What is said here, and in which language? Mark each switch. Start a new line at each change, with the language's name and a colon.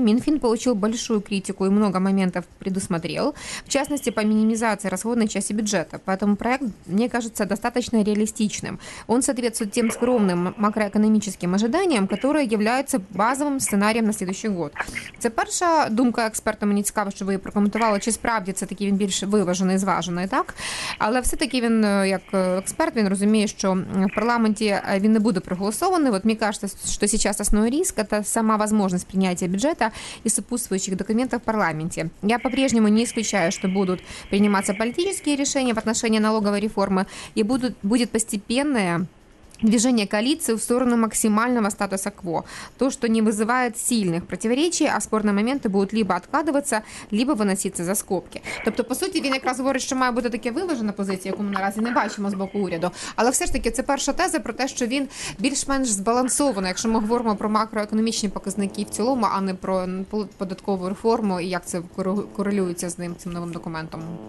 Russian: Минфин получил большую критику и много моментов предусмотрел, в частности, по минимизации расходной части бюджета. Поэтому проект, мне кажется, достаточно реалистичным. Он соответствует тем скромным макроэкономическим ожиданиям, которые являются базовым сценарием на следующий год.
Ukrainian: Це перша думка експерта, мені цікаво, що ви її прокоментували, чи справді це такий він більш виважений, зважений, так? Але все-таки він, як експерт, він розуміє, що в парламенті він не буде проголосований. От мені
Russian: кажется, що сейчас основной риск – це сама возможность принятия бюджета и сопутствующих документов в парламенте. Я по-прежнему не исключаю, что будут приниматься политические решения в отношении налоговой реформы и будет постепенное движение коалиции в сторону максимального статуса кво. То, что не вызывает сильных противоречий, а спорные моменты будут либо откладываться, либо выноситься за скобки.
Ukrainian: Тобто, по суті, він якраз говорить, що має бути таке виважена позиція, яку ми наразі не бачимо з боку уряду. Але все ж таки, це перша теза про те, що він більш-менш збалансований, якщо ми говоримо про макроекономічні показники в цілому, а не про податкову реформу і як це корелюється з ним, цим новим документом.